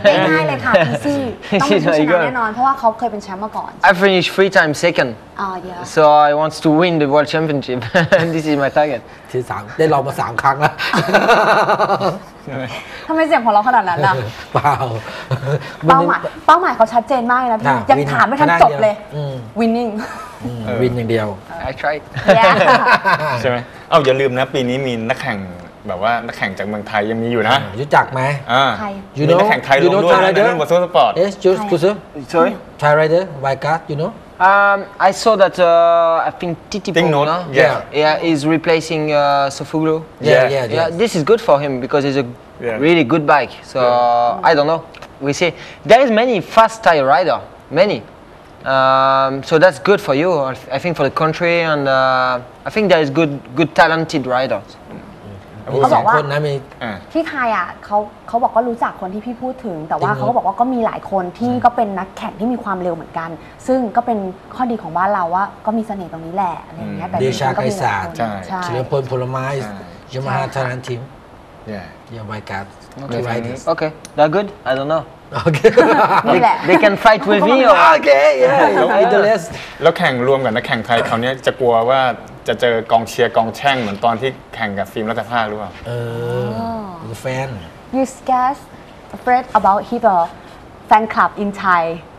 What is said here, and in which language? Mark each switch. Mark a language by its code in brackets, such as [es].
[th] ง่ายเลยค่ะ [en] easy [th] ต้องชนะแน่นอนเพราะว่าเขาเคยเป็นแชมป์มาก่อน [en] I finished three times second yeah so I want to win the world championship this is my target [th] ที่สามได้ลองมาสามครั้งแล้วทำไมเสียงของเราขนาดนั้นล่ะ เปล่า เป้าหมายเขาชัดเจนมากนะพี่ยังถามไม่ทันจบเลย [en] winning win [th] อย่างเดียว [en] I try [th] ใช่ไหมเอ้าอย่าลืมนะปีนี้มีนักแข่งแบบว่านักแข่งจากเมืองไทยยังมีอยู่นะ รู้จักไหม ยูโน่นักแข่งไทยลงด้วยนะในรุ่นวอร์ซูสปอร์ต [en] Yes Jules Kuse Sorry Thai rider White card you know I saw that I think Titi Pogno yeah is replacing Sofuglu yeah this is good for him because it's a really good bike so I don't know we see there is many fast Thai rider manyso that's good for you I think for the country and I think there is good talented rider [th] เขาบอกว่าคนนะมี ที่ไทยอ่ะเขาบอกว่ารู้จักคนที่พี่พูดถึงแต่ว่าเขาก็บอกว่าก็มีหลายคนที่ก็เป็นนักแข่งที่มีความเร็วเหมือนกันซึ่งก็เป็นข้อดีของบ้านเราว่าก็มีเสน่ห์ตรงนี้แหละอะไรอย่างเงี้ยแต่ เดชาไกรศาสตร์ใช่ เฉลิมพลผลไม้ [en] Yamaha Thailand team. Yeah. Yeah, my God. Okay. Okay. They're good. I don't know. Okay. they can fight with me or okay. Yeah. The rest. [th] แล้วแข่งรวมกับนักแข่งไทยคราวนี้จะกลัวว่าจะเจอกองเชียร์กองแช่งเหมือนตอนที่แข่งกับฟิล์มรัฐภาคหรือเปล่า เออ [en] The fan. You scared afraid about his fan club in Thai.